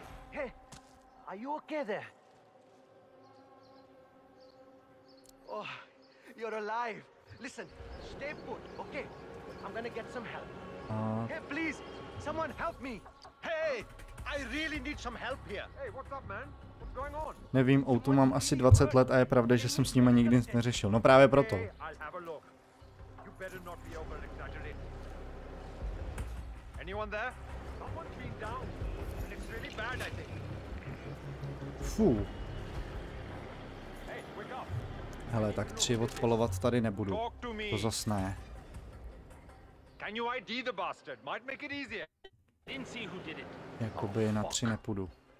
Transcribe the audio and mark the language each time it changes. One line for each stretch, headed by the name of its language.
English: Hey, are you okay there? Oh, you're alive. Listen, stay put, okay? I'm gonna get some help. Hey, please, someone help me. Hey, I really need some help here. Hey, what's up, man? What's going on?
Czech: Nevím, auto mám asi 20 let a je pravda, že jsem s nima nikdy nic neřešil. No právě proto.
English: Hey, I'll have a look. You better not be over exaggerating. Anyone there? Someone's been down. And it's really bad, I think. Fuh. Hey, wake up.
Czech: Hele, tak tři odpolovat tady nebudu. To zas ne.
English: Can you ID the bastard? Might make it easier. Didn't see who did it.
Czech: Jakoby na tři nepůjdu.